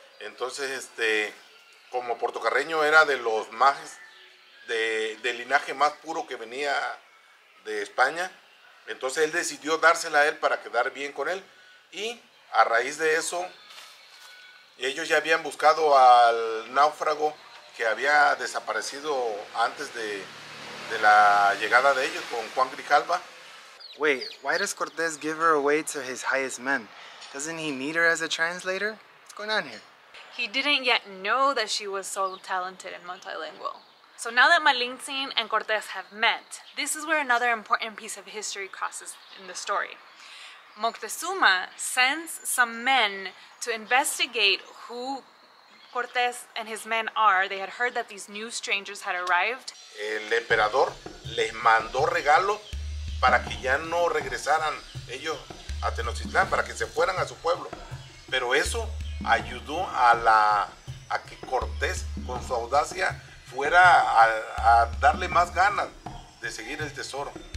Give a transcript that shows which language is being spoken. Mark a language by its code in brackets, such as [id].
[es] Entonces, como Porto Carreño era de los majes de linaje más puro que venía de España, entonces él decidió dársela a él para quedar bien con él. Y a raíz de eso, ellos ya habían buscado al náufrago que había desaparecido antes de la llegada de ellos con Juan Grijalva. [en] Wait, why does Cortés give her away to his highest men? Doesn't he need her as a translator? What's going on here? He didn't yet know that she was so talented and multilingual. So now that Malintzin and Cortés have met, this is where another important piece of history crosses in the story. Moctezuma sends some men to investigate who Cortés and his men are. They had heard that these new strangers had arrived. [es] El emperador les mandó regalos para que ya no regresaran ellos a Tenochtitlán, para que se fueran a su pueblo. Pero eso ayudó a que Cortés, con su audacia, fuera a darle más ganas de seguir el tesoro.